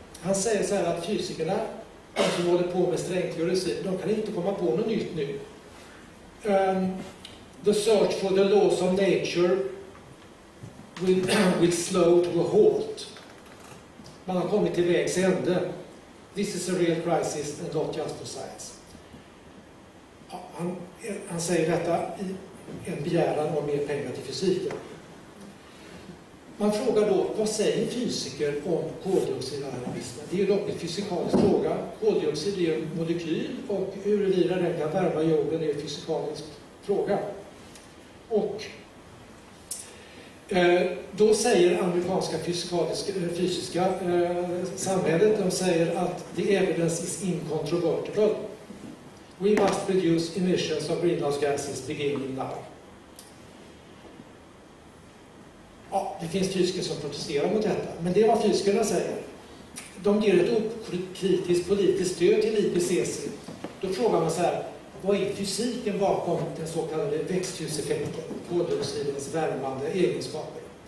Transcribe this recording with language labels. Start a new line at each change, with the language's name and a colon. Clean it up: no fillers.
Swedish: Han säger så här att fysikerna som håller på med strängteorisi, de kan inte komma på något nytt nu.
English: The search for the laws of nature will slow to a halt. Man har kommit till vägs ände. This is a real crisis and not just for science.
Swedish: Ja, han säger detta i en begäran om mer pengar till fysiken. Man frågar då, vad säger fysiker om koldioxidvärmebristen? Det är dock en fysikalisk fråga. Koldioxid är en molekyl och huruvida den kan värma jorden är en fysikalisk fråga. Och då säger amerikanska fysiska samhället, de säger att
English: the evidence is incontrovertible. We must reduce emissions of greenhouse gases beginning now.
Swedish: Ja, det finns fysiker som protesterar mot detta, men det är vad fysikerna säger. De ger ett okritiskt politiskt stöd till IPCC. Då frågar man så här, vad är fysiken bakom den så kallade växthuseffekten, koldioxidens värmande egenskaper?